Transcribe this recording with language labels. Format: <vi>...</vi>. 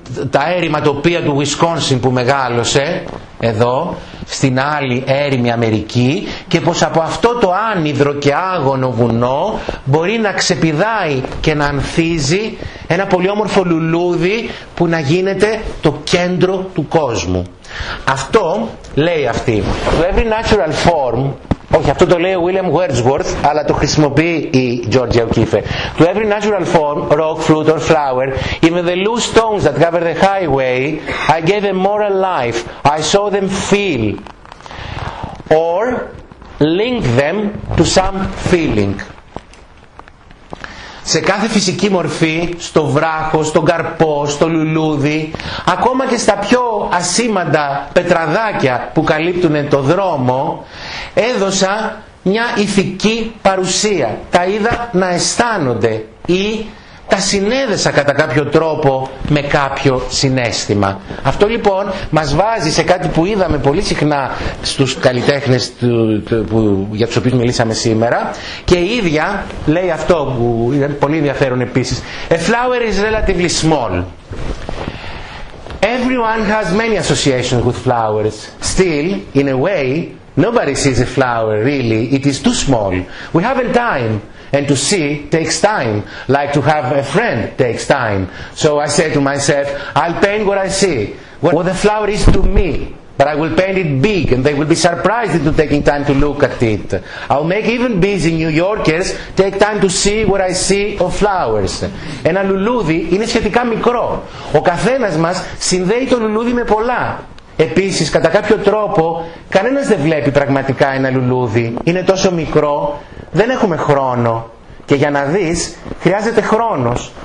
<el>τα έρημα τοπία του Wisconsin που μεγάλωσε εδώ στην άλλη έρημη Αμερική, και πως από αυτό το άνυδρο και άγωνο βουνό μπορεί να ξεπηδάει και να ανθίζει ένα πολύ όμορφο λουλούδι που να γίνεται το κέντρο του κόσμου. Αυτό λέει αυτή.</el> <en>To every natural form.</en> <el>Όχι, αυτό το λέει ο William Wordsworth, αλλά το χρησιμοποιεί η Georgia O'Keeffe.</el> <en>To every natural form, rock, fruit or flower, even the loose stones that cover the highway, I gave a moral life, I saw them feel, or link them to some feeling.</en> <el>Σε κάθε φυσική μορφή, στο βράχο, στον καρπό, στο λουλούδι, ακόμα και στα πιο ασήμαντα πετραδάκια που καλύπτουν το δρόμο, έδωσα μια ηθική παρουσία. Τα είδα να αισθάνονται ή τα συνέδεσα κατά κάποιο τρόπο με κάποιο συνέστημα. Αυτό λοιπόν μας βάζει σε κάτι που είδαμε πολύ συχνά στους καλλιτέχνες για τους οποίους μιλήσαμε σήμερα, και η ίδια λέει αυτό που είναι πολύ ενδιαφέρον επίσης.</el> <en>A flower is relatively small. Everyone has many associations with flowers. Still, in a way, nobody sees a flower, really. It is too small. We haven't time. And to see takes time, like to have a friend takes time. So I say to myself, I'll paint what I see, what the flower is to me, but I will paint it big and they will be surprised into taking time to look at it. I'll make even busy New Yorkers take time to see what I see of flowers.</en> <el>Ένα λουλούδι είναι σχετικά μικρό. Ο καθένας μας συνδέει το λουλούδι με πολλά. Επίσης, κατά κάποιο τρόπο, κανένας δεν βλέπει πραγματικά ένα λουλούδι. Είναι τόσο μικρό, δεν έχουμε χρόνο. Και για να δεις, χρειάζεται χρόνος.</el>